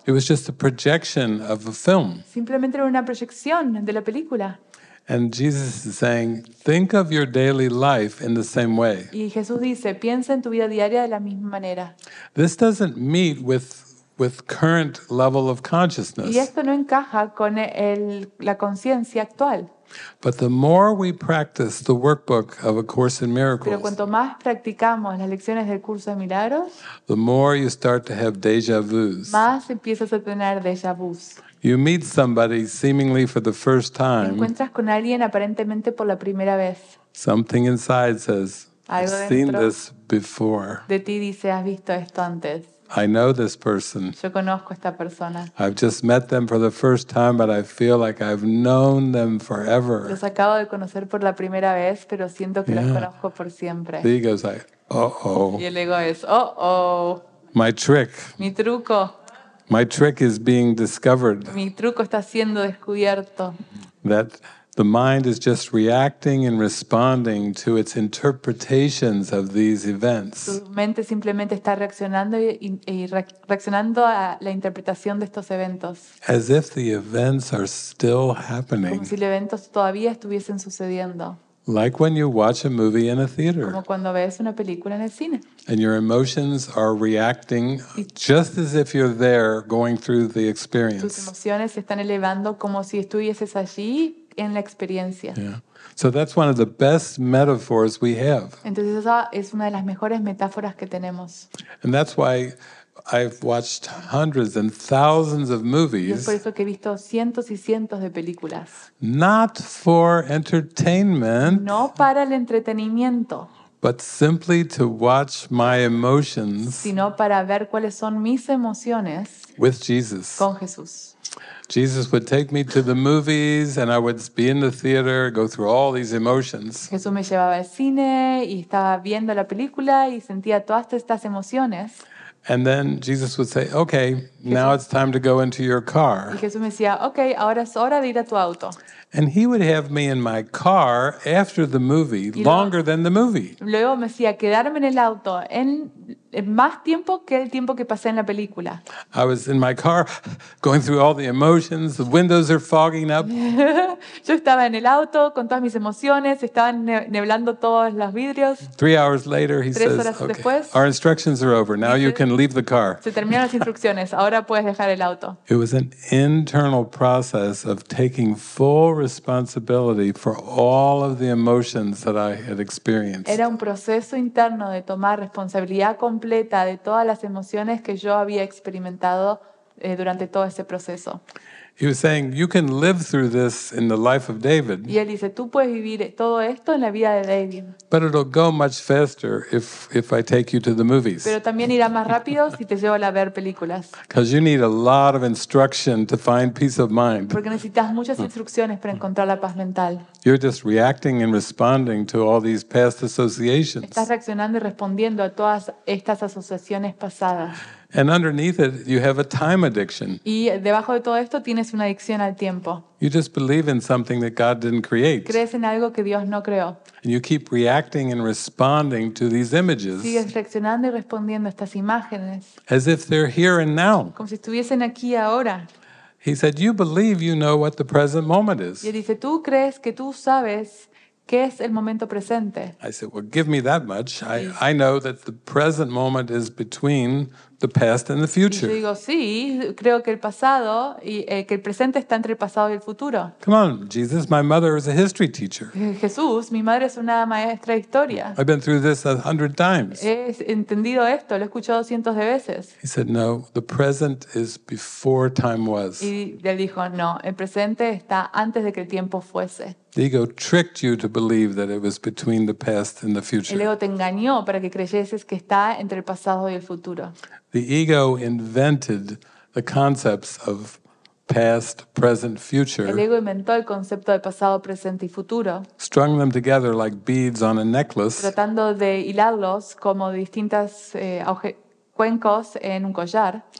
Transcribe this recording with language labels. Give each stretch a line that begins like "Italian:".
English: It was just a projection of a film.
Spanish: Simplemente era una proyección de la película.
English: And Jesus is saying, think of your daily life in the same way.
Spanish: Y Jesús dice, piensa en tu vida diaria de la misma manera.
English: This doesn't meet with current level of consciousness.
Spanish: Y esto no encaja con la conciencia actual.
English: But the more we practice the workbook of A Course in Miracles,
Spanish: pero cuanto más practicamos las lecciones del curso de milagros,
English: the more you start to have déjà vus.
Spanish: Más empiezas a tener déjà vus.
English: You meet somebody seemingly for the first time.
Spanish: Encuentras con alguien aparentemente por la primera vez.
English: Something inside says, I've seen this before.
Spanish: De ti dice, has visto esto antes.
English: I know this person.
Spanish: Yo conozco esta persona.
English: I've just met them for the first time, but I feel like I've known them forever.
Spanish: Los acabo de conocer por la primera vez, pero siento que los conozco por siempre.
English: The ego's like, uh-oh.
Spanish: Y el ego es, uh-oh.
English: My trick.
Spanish: Mi truco.
English: My trick is being discovered.
Spanish: Mi truco está siendo descubierto.
English: That the mind is just reacting and responding to its interpretations of these events.
Spanish: Tu mente simplemente está reaccionando y reaccionando a la interpretación de estos eventos.
English: As if the events are still happening.
Spanish: Como si los eventos todavía estuviesen sucediendo.
English: Like when you watch a movie in a theater.
Spanish: Como cuando ves una película en el cine.
English: And your emotions are reacting just as if you're there going through the experience.
Spanish: Tus emociones se están elevando como si estuvieses allí en la experiencia.
English: Yeah. So that's one of the best metaphors we have.
Spanish: Entonces esa es una de las mejores metáforas que tenemos.
English: And that's why I've watched hundreds and thousands of movies.
Spanish: Y es por eso que he visto cientos y cientos de películas.
English: Not for entertainment.
Spanish: No para el entretenimiento.
English: But simply to watch my emotions.
Spanish: Sino para ver cuáles son mis emociones.
English: With Jesus.
Spanish: Con Jesús.
English: Jesus would take me to the movies, and I would be in the theater, go through all these emotions.
Spanish: Jesús me llevaba al cine y estaba viendo la película y sentía todas estas emociones.
English: And then Jesus would say, "Okay, now it's time to go into your car."
Spanish: Y Jesús me decía, "Okay, ahora es hora de ir a tu auto."
English: And he would have me in my car after the movie, longer than the movie.
Spanish: Luego me decía quedarme en el auto en más tiempo que el tiempo que pasé en la película.
English: I was in my car, going through all the emotions. The windows are fogging up.
Spanish: Yo estaba en el auto con todas mis emociones. Estaban neblando todos los vidrios.
English: 3 hours later, he says, "Okay, our instructions are over. Now you can leave the car."
Spanish: Se terminaron las instrucciones. Ahora puedes dejar el auto.
English: It was an internal process of taking full responsibility for all of the emotions that I had experienced.
Spanish: Era un proceso interno de tomar responsabilidad completa de todas las emociones que yo había experimentado durante todo ese proceso.
English: He was saying, "You can live through this in the life of David."
Spanish: Y él dice, tú puedes vivir todo esto en la vida de David.
English: But it'll go much faster if I take you to the movies.
Spanish: Pero también irá más rápido si te llevo a ver películas.
English: Because you need a lot of instruction to find peace of mind.
Spanish: Porque necesitas muchas instrucciones para encontrar la paz mental.
English: You're just reacting and responding to all these past associations.
Spanish: Estás reaccionando y respondiendo a todas estas asociaciones pasadas.
English: And underneath it, you have a time addiction.
Spanish: Y debajo de todo esto tienes una adicción al tiempo.
English: You just believe in something that God didn't create.
Spanish: Crees en algo que Dios no creó.
English: And you keep reacting and responding to these images.
Spanish: Sigues reaccionando y respondiendo a estas imágenes.
English: As if they're here and now.
Spanish: Como si estuviesen aquí ahora.
English: He said, "You believe you know what the present moment is."
Spanish: Y dice, tú crees que tú sabes. ¿Qué es el momento presente?
English: I said, "Well, give me that much. I know that the present moment is between the past and the future."
Spanish: Y yo digo, sí, creo que el pasado y que el presente está entre el pasado y el futuro.
English: Come on, Jesus, my mother is a history teacher.
Spanish: Jesús, mi madre es una maestra de historia.
English: I've been through this 100 times.
Spanish: He entendido esto, lo he escuchado cientos de veces.
English: He said, "No, the present is before time was."
Spanish: Y él dijo, no, el presente está antes de que el tiempo fuese.
English: The ego tricked you to believe that it was between the past and the future.
Spanish: El ego te engañó para que creyeses que está entre el pasado y el futuro.
English: The ego invented the concepts of past, present, future.
Spanish: El ego inventó el concepto de pasado, presente y futuro.
English: Strung them together like beads on a necklace.
Spanish: Tratando de hilarlos como distintas cuencos en un collar.